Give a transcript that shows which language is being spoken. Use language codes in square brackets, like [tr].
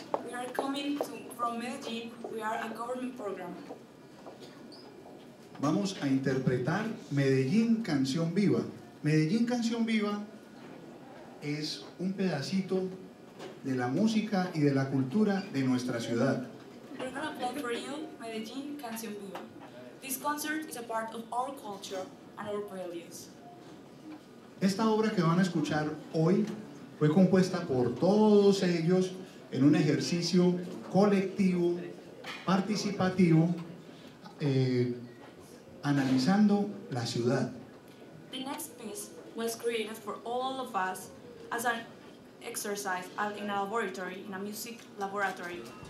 [en] We are coming from Medellín, we are a government program. [es] Vamos a interpretar Medellín Canción Viva. Medellín Canción Viva es un pedacito de la música y de la cultura de nuestra ciudad. [en] We're gonna play for you Medellín Canción Viva. This concert is a part of our culture and our values. [es] Esta obra que van a escuchar hoy fue compuesta por todos ellos en un ejercicio colectivo, participativo, analizando la ciudad. [en] The next piece was created for all of us as an exercise in a laboratory, in a music laboratory.